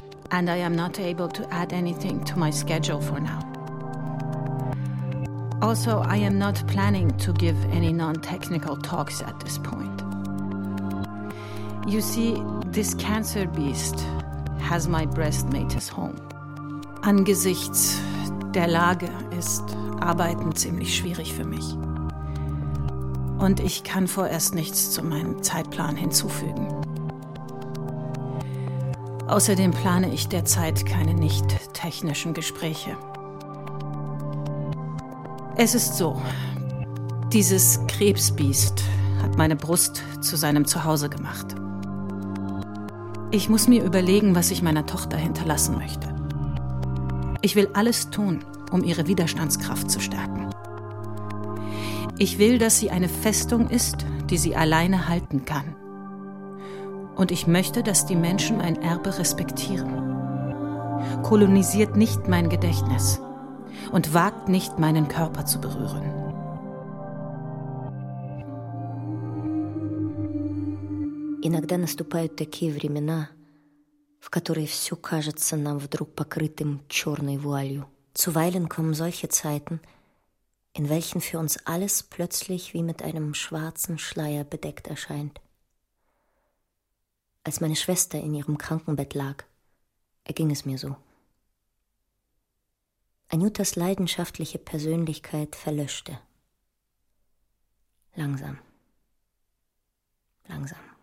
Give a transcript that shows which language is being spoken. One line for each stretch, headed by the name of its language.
English: And I am not able to add anything to my schedule for now. Also, I am not planning to give any non-technical talks at this point. You see, this cancer beast has my breast made his home.
German: Angesichts der Lage ist Arbeiten ziemlich schwierig für mich. Und ich kann vorerst nichts zu meinem Zeitplan hinzufügen. Außerdem plane ich derzeit keine nicht-technischen Gespräche. Es ist so, dieses Krebsbiest hat meine Brust zu seinem Zuhause gemacht. Ich muss mir überlegen, was ich meiner Tochter hinterlassen möchte. Ich will alles tun, um ihre Widerstandskraft zu stärken. Ich will, dass sie eine Festung ist, die sie alleine halten kann. Und ich möchte, dass die Menschen mein Erbe respektieren. Kolonisiert nicht mein Gedächtnis und wagt nicht, meinen Körper zu berühren.
Russian: Иногда наступают такие времена, в которые все кажется нам вдруг покрытым черной вуалью.
German: Zuweilen kommen solche Zeiten, in welchen für uns alles plötzlich wie mit einem schwarzen Schleier bedeckt erscheint. Als meine Schwester in ihrem Krankenbett lag, erging es mir so. Anjutas leidenschaftliche Persönlichkeit verlöschte. Langsam. Langsam.